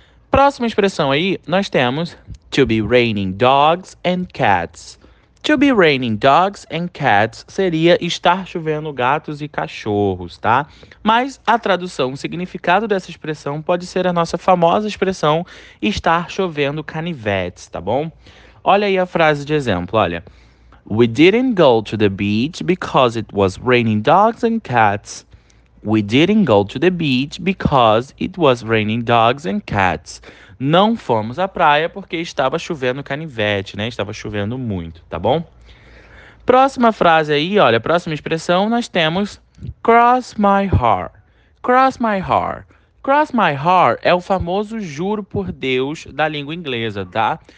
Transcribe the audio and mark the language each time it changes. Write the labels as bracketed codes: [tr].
[pt] Próxima expressão aí, nós temos [en] to be raining dogs and cats. To be raining dogs and cats [pt] seria estar chovendo gatos e cachorros, tá? Mas a tradução, o significado dessa expressão pode ser a nossa famosa expressão estar chovendo canivetes, tá bom? Olha aí a frase de exemplo, olha. [en] We didn't go to the beach because it was raining dogs and cats. We didn't go to the beach because it was raining dogs and cats. [pt] Não fomos à praia porque estava chovendo canivete, né? Estava chovendo muito, tá bom? Próxima frase aí, olha, próxima expressão, nós temos cross my heart. [en] Cross my heart. [pt] Cross my heart é o famoso juro por Deus da língua inglesa, tá?